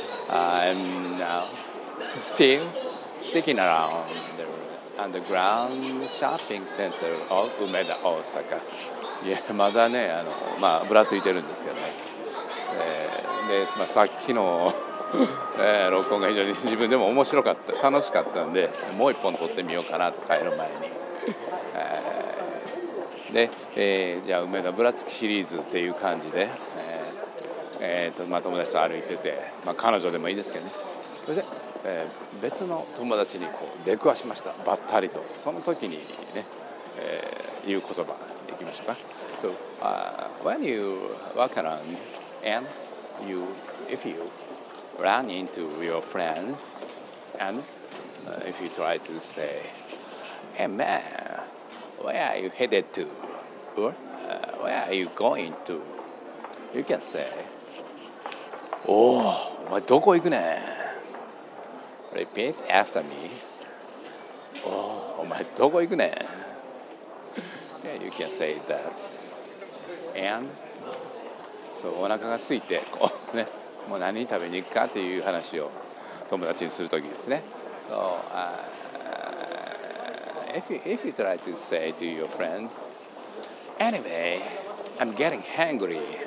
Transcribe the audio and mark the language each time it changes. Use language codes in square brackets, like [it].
[en] I'm now still sticking around the underground shopping center of Umeda, Osaka. [ja] Yeah, まだね、あの、まあ、ぶらついてるんですけどね。で、まあ、さっきの録音が非常に自分でも面白かった楽しかったんでもう一本撮ってみようかなと帰る前に、で、じゃあ梅田ぶらつきシリーズっていう感じで、まあ、友達と歩いてて、まあ、彼女でもいいですけどね。それで、別の友達にこう出くわしました、ばったりと。その時にね、言う言葉いきましょうか。 [en] So、when you walk around and you if youRun into your friend, and if you try to say, "Hey man, where are you headed to? Or where are you going to?" You can say, "Oh, [ja] お前どこ行くね?" [en] Repeat after me. "Oh, [ja] お前どこ行くね?" [en] Yeah, you can say that. And so, [ja] お腹が空いてこうね。もう何食べに行くかっていう話を友達にするときですね。 [en] So, if you try to say to your friend, "Anyway, I'm getting hungry.